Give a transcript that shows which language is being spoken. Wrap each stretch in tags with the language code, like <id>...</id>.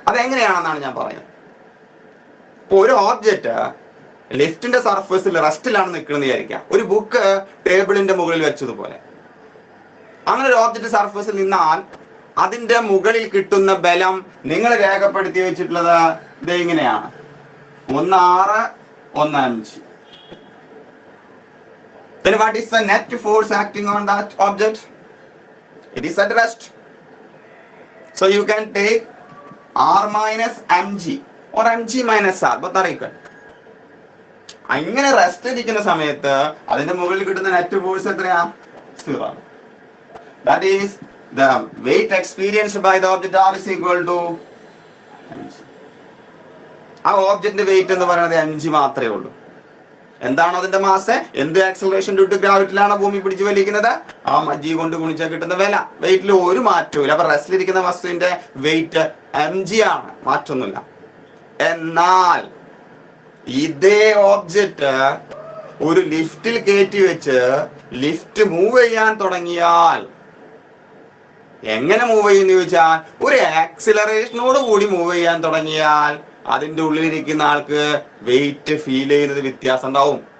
<ml>അതെങ്ങനെയാണെന്നാണ് ഞാൻ പറയുന്നത്. ഇപ്പൊ ഒരു ഓബ്ജക്റ്റ് ലിഫ്റ്റിന്റെ സർഫസിൽ റെസ്റ്റിലാണ് നിൽക്കുന്നത് വിചാരിക്കാം. ഒരു ബുക്ക് ടേബിളിന്റെ മുകളിൽ വെച്ചതുപോലെ അങ്ങനെ ഒരു ഓബ്ജക്റ്റ് സർഫസിൽ നിന്നാൽ അതിന്റെ മുകളിൽ കിട്ടുന്ന ബലം നിങ്ങൾ രേഖപ്പെടുത്തി വെച്ചിട്ടുള്ളത് ഇത് ഇങ്ങനെയാണ്, 1 6 1 5.</ml> <en>Then what is the net force acting on that object? It is at rest. So you can take R minus mg or mg minus R, both are equal.</en> <ml>അങ്ങനെ റെസ്റ്റ് ഇരിക്കുന്ന സമയത്ത് അതിന്റെ മുകളിൽ കിട്ടുന്ന നെറ്റ് ഫോഴ്സ് എത്രയാ? 0.</ml> <en>That is the weight experienced by the object R is equal to</en> <ml>ആ ഓബ്ജക്റ്റിന്റെ wait എന്ന് പറയുന്നത് 5 മാത്രമേ ഉള്ളൂ. എന്താണ് അതിന്റെ മാസ്, എന്ത് ആക്സലറേഷൻ ഡ്യൂ ടു ഗ്രാവിറ്റിയിലാണ് ഭൂമി പിടിച്ച് വലിക്കുന്നത്? ആ മജി കൊണ്ട് ഗുണിച്ചാൽ കിട്ടുന്ന വില. വെയിറ്റിൽ ഒരു മാറ്റവും ഇല്ല. അപ്പൊ റെസ്റ്റിൽ ഇരിക്കുന്ന വസ്തുവിന്റെ വെയിറ്റ് 5 ആണ്, മാറ്റൊന്നുമില്ല. എന്നാൽ ഇതേ ഓബ്ജക്റ്റ് ഒരു ലിഫ്റ്റിൽ കയറ്റി വെച്ച് ലിഫ്റ്റ് മൂവ് ചെയ്യാൻ തുടങ്ങിയാൽ എങ്ങനെ മൂവ് ചെയ്യുന്ന ചോദിച്ചാൽ ഒരു ആക്സിലറേഷനോട് കൂടി മൂവ് ചെയ്യാൻ തുടങ്ങിയാൽ അതിന്റെ ഉള്ളിലിരിക്കുന്ന ആൾക്ക് വെയിറ്റ് ഫീൽ ചെയ്യുന്നത് വ്യത്യാസം ഉണ്ടാവും.</ml>